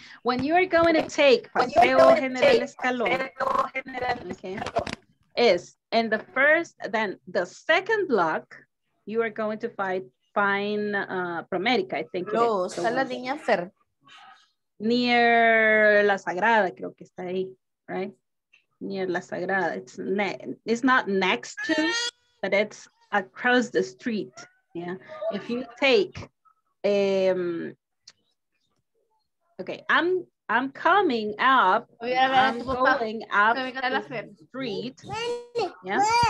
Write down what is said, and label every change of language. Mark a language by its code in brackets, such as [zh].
[en] When you are going to take Paseo General Escalón, okay, is in the first, then the second block, you are going to find Promedica, I think. [es] No, está la línea Fer. [en] Near [es] La Sagrada, creo que está ahí, right? [en] Near La Sagrada. It's not next to, but it's across the street. Yeah. If you take okay, I'm coming up. I'm going up the street. Yeah.